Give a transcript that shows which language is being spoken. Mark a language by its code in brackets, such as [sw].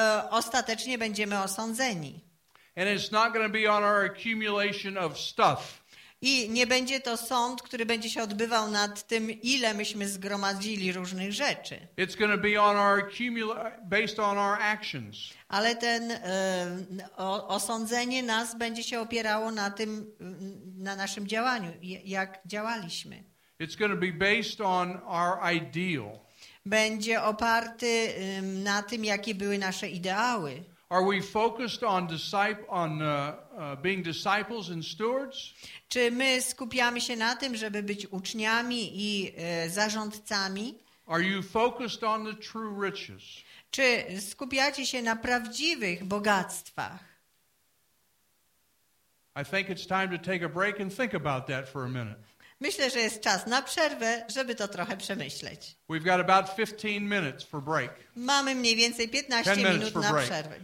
[pl] Ostatecznie będziemy osądzeni. [en] And it's not going to be on our accumulation of stuff. [pl] I nie będzie to sąd, który będzie się odbywał nad tym, ile myśmy zgromadzili różnych rzeczy. [en] It's going to be on our based on our actions. [pl] Ale ten osądzenie nas będzie się opierało na tym, na naszym działaniu, jak działaliśmy. [en] It's going to be based on our ideal. [pl] Będzie oparty na tym, jakie były nasze ideały. [en] Are we focused on being disciples and stewards? [pl] Czy my skupiamy się na tym, żeby być uczniami i zarządcami? [en] Are you focused on the true riches? [pl] Czy skupiacie się na prawdziwych bogactwach? [en] I think it's time to take a break and think about that for a minute. [pl] Myślę, że jest czas na przerwę, żeby to trochę przemyśleć. [en] We've got about 15 minutes for break. [pl] Mamy mniej więcej 15 minut na przerwę.